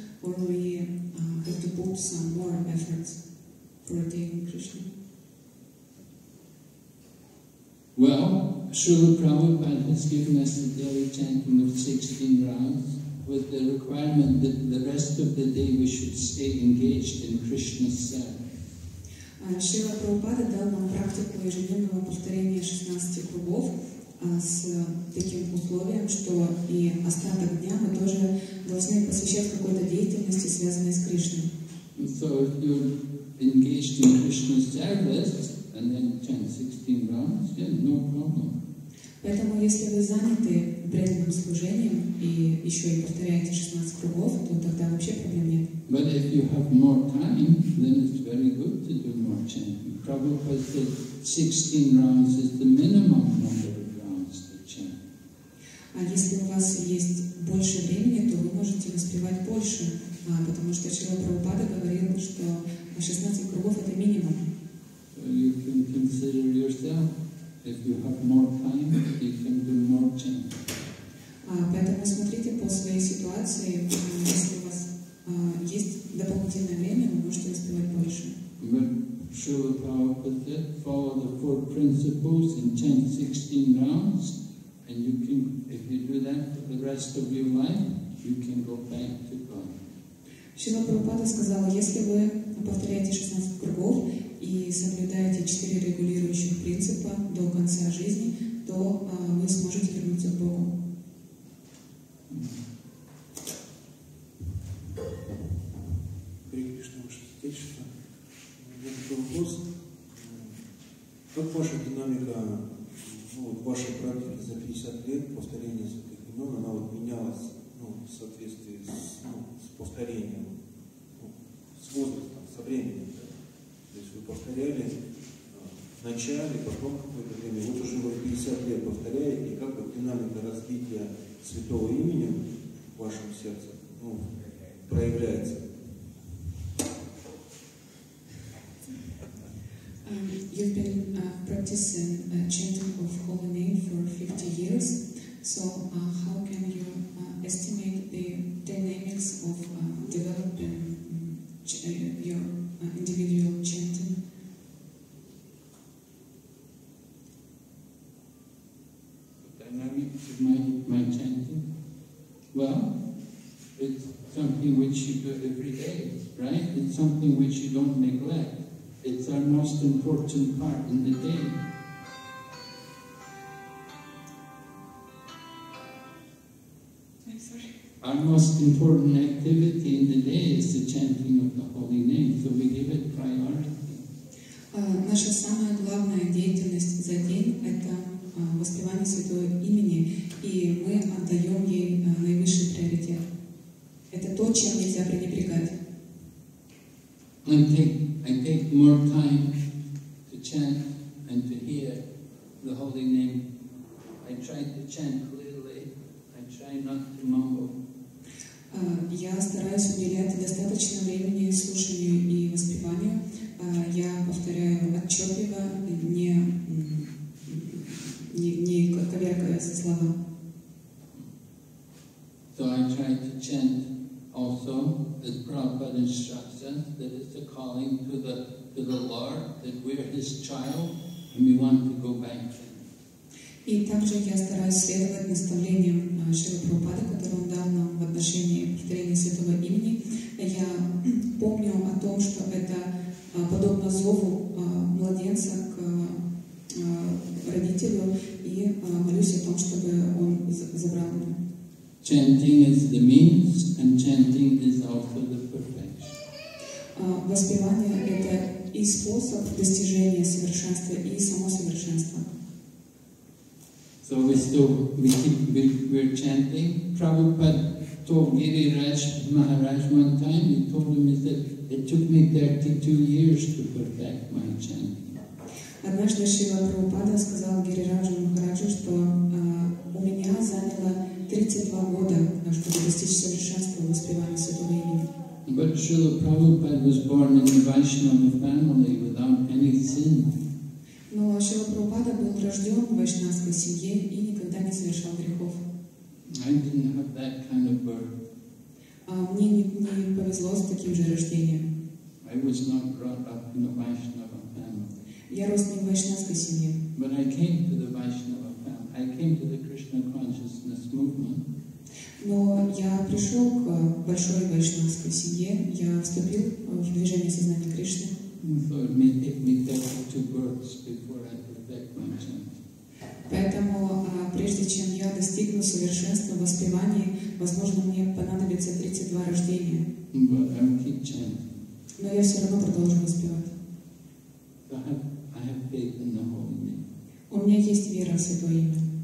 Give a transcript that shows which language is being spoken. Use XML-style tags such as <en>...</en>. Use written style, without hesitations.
<en>Or do we have to put some more efforts for attaining Krishna? Well, Srila Prabhupada has given us the daily chanting of 16 rounds. With the requirement that the rest of the day we should stay engaged in Krishna's service.</en> <ru>Шрила Прабхупада дал нам практику ежедневного повторения 16 кругов с таким условием, что и остаток дня мы тоже должны посвящать какой-то деятельности, связанной с Кришной.</ru> <en>So if you're engaged in Krishna's service and then chant 16 rounds, then no problem.</en> <ru>Поэтому, если вы заняты преданным служением и еще и повторяете 16 кругов, то тогда вообще проблем нет.</ru> <en>But if you have more time, then it's very good to do more chanting. Prabhupada said 16 rounds is the minimum number of rounds to chant.</en> <ru>А если у вас есть больше времени, то вы можете воспевать больше, потому что Шрила Прабхупада говорил, что 16 кругов это минимум.</ru> <en>So you can consider yourself. If you have more time, you can do more chanting.</en> <ru>Поэтому смотрите по своей ситуации. Если у вас есть дополнительное время, вы можете успевать больше.</ru> <en>But Srila Prabhupada said, follow the four principles and chant 16 rounds, and you can, if you do that for the rest of your life, you can go back to God.</en> <ru>Шрила Прабхупада сказал, если вы повторяете 16 кругов и соблюдаете 4 регулирующих принципа до конца жизни, то вы сможете вернуться к Богу. Кришна, Ваше Святейшество. У меня такой вопрос. Как ваша динамика, вот, вашей практики за 50 лет повторения святых имен, она вот менялась, ну, в соответствии с, ну, с повторением, ну, с возрастом, со временем? Вы повторяли в начале, потом какое-то время, вот уже вы 50 лет повторяете, как вот динамика развития святого имени в вашем сердце, ну, проявляется?</ru> <en>You've been practicing chanting of holy name for 50 years, so how can you estimate the dynamics of development? individual chanting. Dynamics of my chanting? Well, it's something which you do every day, right? It's something which you don't neglect. It's our most important part in the day. Our most important activity in the day is the chanting of the holy name, so we give it priority.</en> <ru>Наша самая главная деятельность за день – это воспевание Святого имени, и мы отдаем ей наивысший приоритет. Это то, чем нельзя пренебрегать.</ru> <en>I take more time to chant and to hear the holy name. I try to chant clearly. I try not to mumble.</en> <ru>Я стараюсь уделять достаточно времени слушанию и воспеванию. Я повторяю отчетливо, не коверкая со слова.</ru> <en>So I try to chant also as Prabhupada instructs us that it's a calling to the Lord, that we're His child and we want to go back.</en> <ru>И также я стараюсь следовать наставлениям Шрилы Прабхупады, которые он дал нам в отношении повторения Святого Имени. Я помню о том, что это подобно зову младенца к родителю, и молюсь о том, чтобы он забрал меня.</ru> <en>Chanting is the means, and chanting is also the perfection.</en> <ru>Воспевание — это и способ достижения совершенства, и само совершенство.</ru> <en>So we're chanting. Prabhupada told Giriraj Maharaj one time, he told him, he said, it took me 32 years to perfect my chanting.</en> <ru>Однажды Шрила Прабхупада сказал Гирираджу Махараджу, что у меня заняло 32 года, чтобы достичь совершенства в воспевании Святого Имени.</ru> <en>But Шрила Прабхупада was born in a Vaishnava family without any sin.</en> <ru>Но Шрила Прабхупада был рожден в вайшнавской семье и никогда не совершал грехов.</ru> <en>I didn't have that kind of birth.</en> <ru>Мне не повезло с таким же рождением.</ru> <en>I was not brought up in a Vaishnava family.</en> <ru>Я рос не в вайшнавской семье.</ru> <en>But I came to the Vaishnava family. I came to the Krishna consciousness movement.</en> <ru>Но я пришел к большой вайшнавской семье. Я вступил в движение сознания Кришны.</ru> <en>So it may take me 32 births before I perfect my chanting.</en> <ru>Поэтому, прежде чем я достигну совершенства в воспевании, возможно, мне понадобится 32 рождения.</ru> <en>But I'll keep chanting.</en> <ru>Но я все равно продолжу воспевать.</ru> <en>So I have faith in the Holy Name.</en> <ru>У меня есть вера в Святое Имя.</ru>